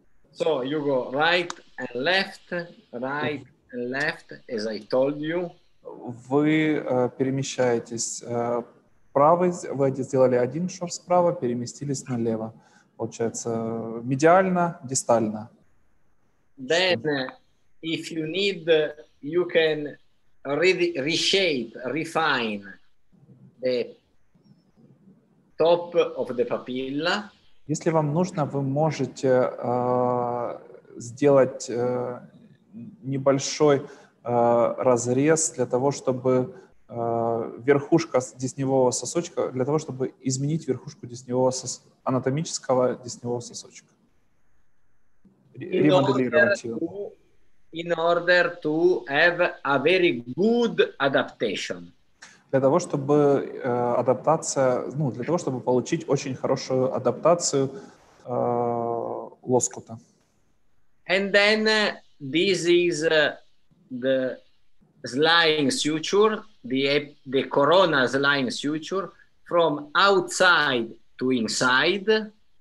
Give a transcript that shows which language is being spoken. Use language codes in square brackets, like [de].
[en] So you go right and left, right and left, as I told you. [ru] Вы перемещаетесь правый, вы сделали один шов справа, переместились налево. Получается медиально, дистально. [en] Then, if you need, you can reshape, refine the top of the papilla. [ru] Если вам нужно, вы можете сделать небольшой разрез для того, чтобы верхушка десневого сосочка, для того, чтобы изменить верхушку анатомического десневого сосочка. Ремоделировать его. [en] In order to have a very good adaptation. [ru] Для того, чтобы для того, чтобы получить очень хорошую адаптацию лоскута. [en] And then this is the sliding suture, the corona sliding suture from outside to inside.